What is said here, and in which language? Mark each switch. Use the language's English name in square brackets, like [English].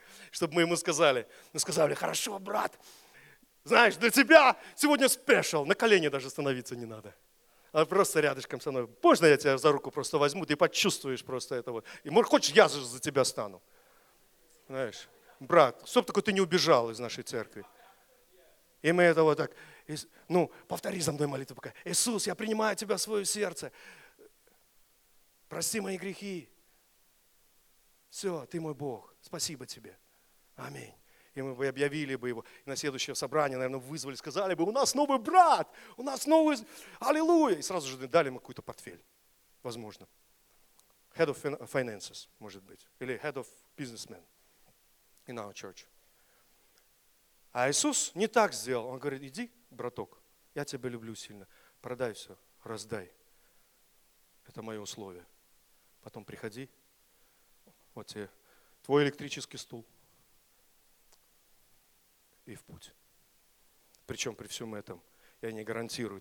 [Russian] Чтобы мы ему сказали, хорошо, брат, знаешь, для тебя сегодня спешл, на колени даже становиться не надо, а просто рядышком со мной, можно я тебя за руку просто возьму, ты почувствуешь просто это вот, и может хочешь, я же за тебя стану, знаешь, брат, чтоб такой ты не убежал из нашей церкви, и мы это вот так, ну, повтори за мной молитву пока: Иисус, я принимаю тебя в свое сердце, прости мои грехи, Все, ты мой Бог, спасибо тебе. Аминь. И мы бы объявили бы его. И на следующее собрание, наверное, вызвали, сказали бы, у нас новый брат, у нас новый, аллилуйя. И сразу же дали ему какой-то портфель, возможно. [English] Head of finances, [Russian] может быть. Или [English] head of businessmen in our church. [Russian] А Иисус не так сделал. Он говорит, иди, браток, я тебя люблю сильно. Продай все, раздай. Это мое условие. Потом приходи, вот тебе твой электрический стул. И в путь. Причем при всем этом я не гарантирую.